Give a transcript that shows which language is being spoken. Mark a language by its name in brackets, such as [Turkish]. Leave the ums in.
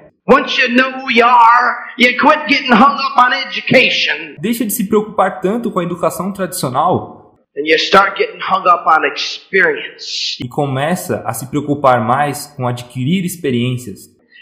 [English] Once you know who you are, you quit getting hung up on education. [Portuguese] Deixa de se preocupar tanto com a educação tradicional. [English] You start getting hung up on experience. [Portuguese] E começa a se preocupar mais com adquirir experiências.